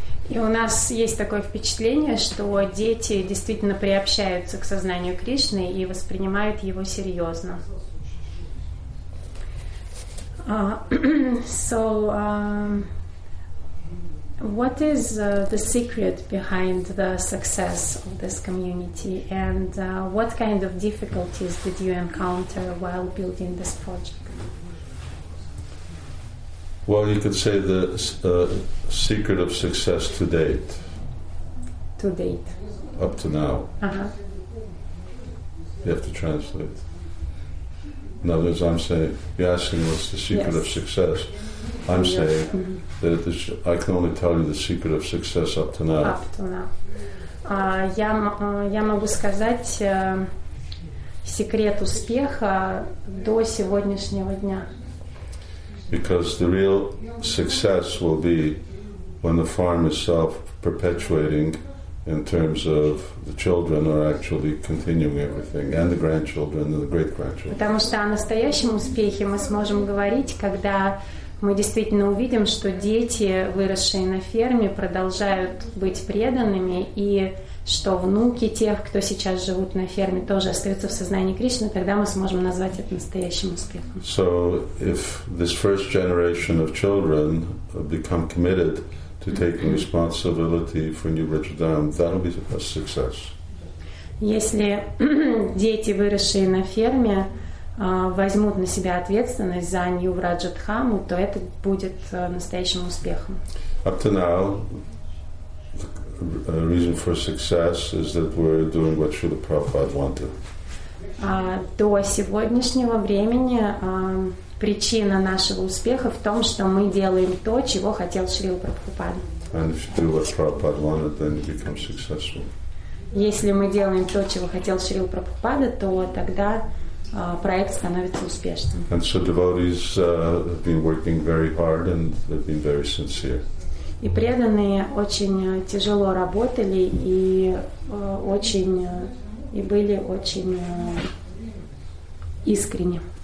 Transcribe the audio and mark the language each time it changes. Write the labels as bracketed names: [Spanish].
[Russian] И у нас есть такое впечатление, что дети действительно приобщаются к сознанию Кришны и воспринимают его серьезно. [English] What is the secret behind the success of this community, and what kind of difficulties did you encounter while building this project? Well, you could say the secret of success to date. To date. Up to now. Uh-huh. You have to translate. In other words, I'm saying, you're asking what's the secret yes. of success. I'm yes. saying mm-hmm. that this, I can only tell you the secret of success up to now. Up to now. [Russian] Я могу сказать секрет успеха до сегодняшнего дня. [English] Because the real success will be when the farm is self-perpetuating in terms of the children are actually continuing everything, and the grandchildren and the great-grandchildren. [Russian] Потому что о настоящем успехе мы сможем говорить, когда мы действительно увидим, что дети, выросшие на ферме, продолжают быть преданными, и что внуки тех, кто сейчас живут на ферме, тоже остаются в сознании Кришны, тогда мы сможем назвать это настоящим успехом. [English] So, if this first generation of children become committed to taking responsibility for New Vrindavan, that'll be a success. [Russian] Если дети, выросшие на ферме, возьмут на себя ответственность за New Vrindavan, то это будет настоящим успехом. [English] Up to now, the reason for success is that we're doing what Srila Prabhupada wanted. [Russian] До сегодняшнего времени причина нашего успеха в том, что мы делаем то, чего хотел Шрила Прабхупада. [English] And if you do what Prabhupada wanted, then you become successful. [Russian] Если мы делаем то, чего хотел Шрила Прабхупада, то тогда проект становится успешным. [English] And so devotees have been working very hard and they've been very sincere. [Russian] И преданные очень тяжело работали и очень и были очень искренни.